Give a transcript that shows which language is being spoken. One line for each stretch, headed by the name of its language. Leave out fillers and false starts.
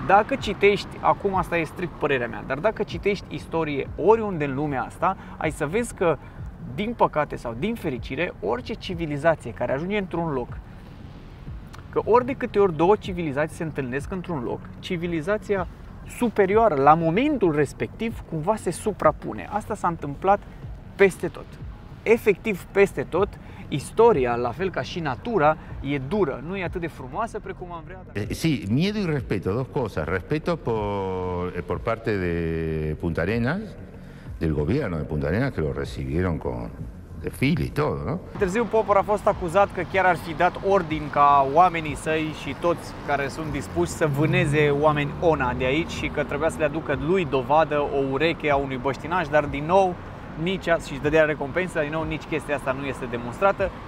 Romanian: Dacă citești, acum asta e strict părerea mea, dar dacă citești istorie oriunde în lumea asta, ai să vezi că, din păcate sau din fericire, orice civilizație care ajunge într-un loc, că ori de câte ori două civilizații se întâlnesc într-un loc, civilizația superioară, la momentul respectiv, cumva se suprapune. Asta s-a întâmplat peste tot. Efectiv peste tot. Istoria, la fel ca și natura, e dură, nu e atât de frumoasă precum am vrea.
Spanish: Sí, miedo y respeto, dos cosas. Respeto por parte de Punta Arenas, del gobierno de Punta Arenas, que lo recibieron con desfile y todo, ¿no?
Romanian: Târziu Popper a fost acuzat că chiar ar fi dat ordin ca oamenii săi și toți care sunt dispuși să vâneze oameni ONA de aici și că trebuia să le aducă lui dovadă o ureche a unui băștinaș, dar din nou nici asta, și dădea recompensă, din nou nici chestia asta nu este demonstrată.